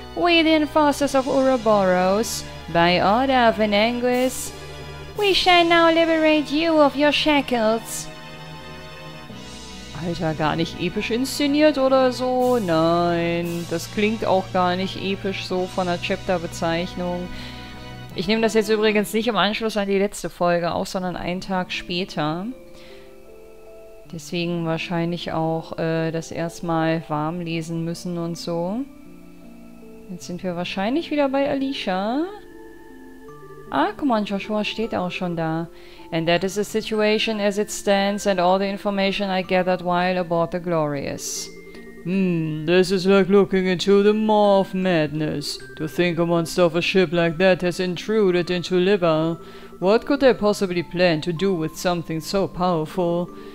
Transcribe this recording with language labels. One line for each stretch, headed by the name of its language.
English: We, the enforcers of Ouroboros, by order of an Anguis, we shall now liberate you of your shackles.
German: Alter, gar nicht episch inszeniert oder so? Nein, das klingt auch gar nicht episch so von der Chapter-Bezeichnung. Ich nehme das jetzt übrigens nicht im Anschluss an die letzte Folge auf, sondern einen Tag später. Deswegen wahrscheinlich auch das erstmal warm lesen müssen und so. Jetzt sind wir wahrscheinlich wieder bei Alicia.
English: Ah, come on,
German: Joshua steht auch schon da.
English: And that is the situation as it stands and all the information I gathered while aboard the Glorious. This is like looking into the maw of madness. To think a monster of a ship like that has intruded into Libel. What could they possibly plan to do with something so powerful?